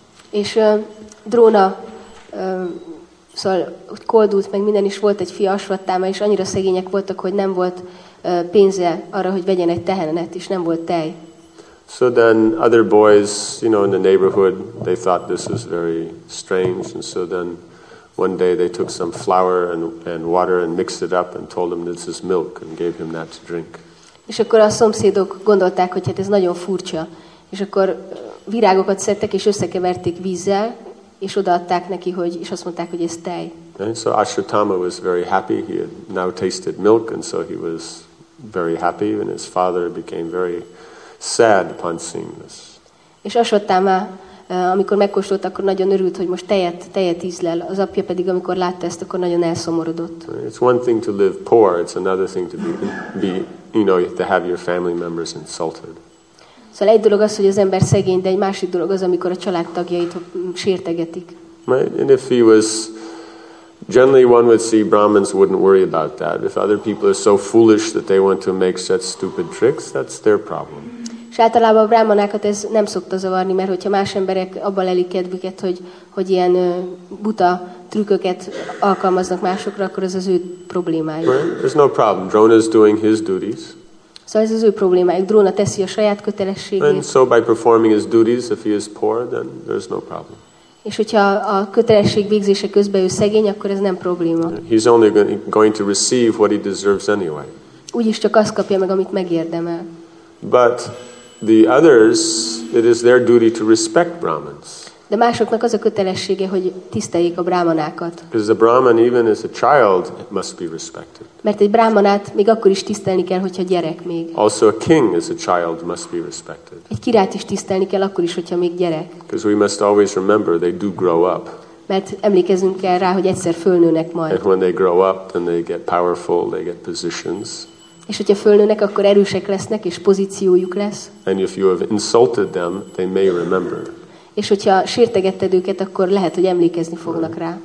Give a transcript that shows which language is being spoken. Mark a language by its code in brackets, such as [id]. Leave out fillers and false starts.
[hu] És Dróna, szóval úgy koldult meg minden is, volt egy fia Ashvatthama, és annyira szegények voltak, hogy nem volt pénze arra, hogy vegyen egy tehenet, és nem volt tej. [en] So then other boys, you know, in the neighborhood, they thought this was very strange, and so then one day they took some flour and water and mixed it up and told him this is milk and gave him that to drink. [hu] És akkor a szomszédok gondolták, hogy hát ez nagyon furcsa. És akkor virágokat szedtek és összekeverték vízzel, és odaadták neki, hogy és azt mondták, hogy ez tej. [en] And so Ashutama was very happy. He had now tasted milk, and so he was very happy, and his father became very sad upon seeing this. [hu] És Ashutama, amikor megkóstolt, akkor nagyon örült, hogy most tejet ízlel. Az apja pedig, amikor látta ezt, akkor nagyon elszomorodott. [en] It's one thing to live poor, it's another thing to be you know, to have your family members insulted. [hu] Szóval egy dolog az, hogy az ember szegény, de egy másik dolog az, amikor a családtagjait sértegetik. [en] Right? And if he was, generally one would see Brahmins wouldn't worry about that. If other people are so foolish that they want to make such stupid tricks, that's their problem. [hu] És általában a brahmanákat ez nem szokta zavarni, mert hogyha más emberek abba lelik kedvüket, hogy ilyen buta trükköket alkalmaznak másokra, akkor ez az ő problémájuk. [en] Right? There's no problem. Drona is doing his duties. [hu] Szóval ez az ő problémájuk. Drona teszi a saját kötelességét. [en] And so by performing his duties, if he is poor, then there's no problem. [hu] És hogyha a kötelesség végzése közben ő szegény, akkor ez nem probléma. [en] He's only going to receive what he deserves anyway. [hu] Úgyis csak azt kapja meg, amit megérdemel. [en] But the others, it is their duty to respect Brahmins. [hu] De másoknak az a kötelessége, hogy tiszteljék a brámanákat. [en] Because a Brahman, even as a child, must be respected. [hu] Mert egy brámanát még akkor is tisztelni kell, hogyha gyerek még. [en] Also a king as a child must be respected. [hu] Egy királyt is tisztelni kell akkor is, hogyha még gyerek. [en] Because we must always remember they do grow up. [hu] Mert emlékezünk kell rá, hogy egyszer fölnőnek majd. [en] And when they grow up, then they get powerful, they get positions. [hu] És hogyha fölnőnek, akkor erősek lesznek, és pozíciójuk lesz. [en] And if you have insulted them, they may remember. [hu] És hogyha sértegetted őket, akkor lehet, hogy emlékezni fognak rá.